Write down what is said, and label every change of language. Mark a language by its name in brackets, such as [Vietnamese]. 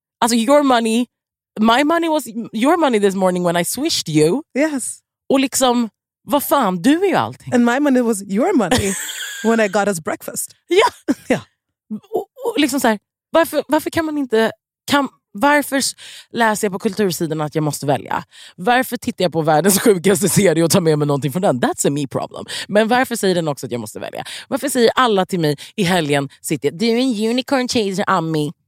[Swedish] Alltså [English] your money, my money was your money this morning when I swished you. Yes. [Swedish] Och liksom, vad fan, du är ju allting. [English] And my money was your money when I got us breakfast. [Swedish] Ja. Ja. Och liksom så här, varför kan man inte, kan, varför läser jag på kultursidan att jag måste välja? Varför tittar jag på världens sjukaste serie och tar med mig någonting från den? [English] That's a me problem. [Swedish] Men varför säger den också att jag måste välja? Varför säger alla till mig i helgen, sitter, du är en unicorn chaser, Ami.